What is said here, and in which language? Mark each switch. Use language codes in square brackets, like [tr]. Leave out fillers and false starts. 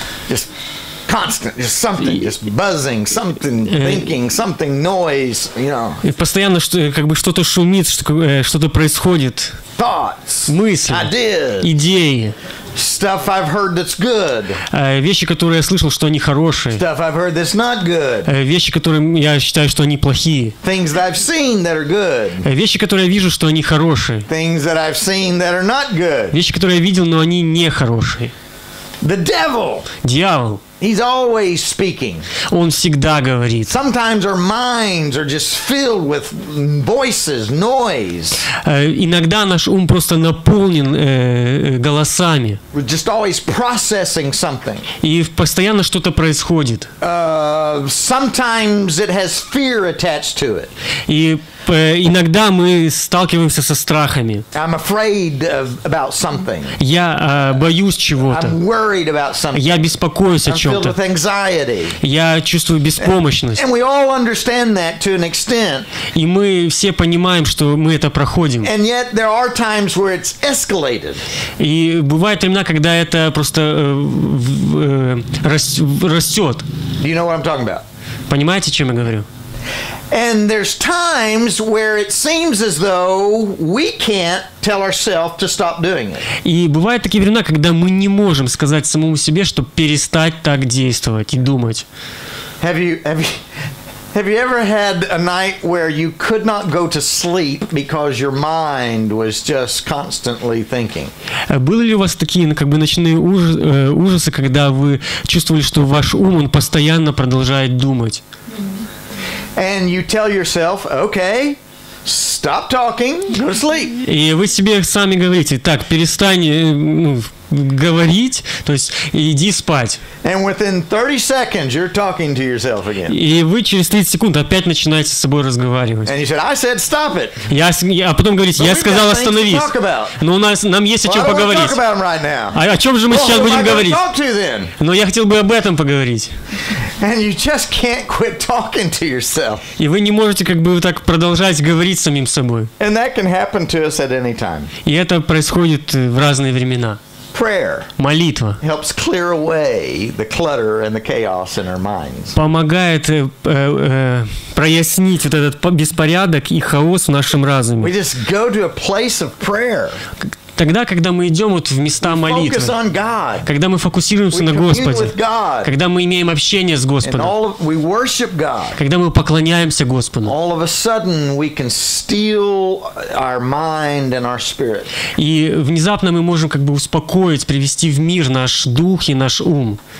[en] Just constant, just something, just buzzing, something thinking, something noise, you know. [ru] И постоянно что-то шумит, что-то происходит. [en] Thoughts, [ru] мысли, [en] ideas, [ru] идеи. [en] Stuff I've heard that's good. [ru] Вещи, которые я слышал, что они хорошие. [en] Stuff I've heard that's not good. [ru] Вещи, которые я считаю, что они плохие. [en] Things that I've seen that are good. [ru] Вещи, которые я вижу, что они хорошие. [en] Things that I've seen that are not good. [ru] Вещи, которые я видел, но они не хорошие. [en] The devil. [ru] Дьявол. [en] He's always speaking. [ru] Он всегда говорит. [en] Sometimes our minds are just filled with voices, noise. [ru] Иногда наш ум просто наполнен голосами. [en] We're just always processing something. [ru] И постоянно что-то происходит. [en] Sometimes it has fear attached to it. [ru] И иногда мы сталкиваемся со страхами. [en] I'm afraid of about something. [ru] Я боюсь чего-то. [en] I'm worried about something. [ru] Я беспокоюсь о чем-то. [en] Filled with anxiety. [ru] Я чувствую беспомощность. [en] And we all understand that to an extent. [ru] И мы все понимаем, что мы это проходим. [en] And yet there are times where it's escalated. [ru] И бывают времена, когда это просто растет. [en] Do you know what I'm talking about? [ru] Понимаете, о чем я говорю? [en] And there's times where it seems as though we can't tell ourselves to stop doing it. [ru] И бывают такие времена, когда мы не можем сказать самому себе, чтобы перестать так действовать и думать. [en] Have you ever had a night where you could not go to sleep because your mind was just constantly thinking? [ru] Были ли у вас такие ночные ужасы, когда вы чувствовали, что ваш ум он постоянно продолжает думать? [en] And you tell yourself, okay, stop talking, go to sleep. [ru] И вы себе сами говорите, так, перестань, ну, говорить, то есть иди спать. [en] And within 30 seconds you're talking to yourself again. [ru] И вы через 30 секунд опять начинаете с собой разговаривать. [en] And you said, I said, stop it. [ru] А потом говорите, я сказал остановись. Но у нас, нам есть о чем поговорить. [en] Right, [ru] о чем же мы сейчас будем говорить? [en] To, [ru] но я хотел бы об этом поговорить. [en] And you just can't quit talking to yourself. [ru] И вы не можете как бы так продолжать говорить самим собой. [en] And that can happen to us at any time. [ru] И это происходит в разные времена. [en] Prayer [ru] молитва [en] helps clear away the clutter and the chaos in our minds. [ru] Помогает прояснить вот этот беспорядок и хаос в нашем разуме. [en] We just go to a place of prayer. [ru] Тогда, когда мы идем вот в места молитвы, когда мы фокусируемся на Господе, когда мы имеем общение с Господом, когда мы поклоняемся Господу, и внезапно мы можем как бы успокоить, привести в мир наш дух и наш ум.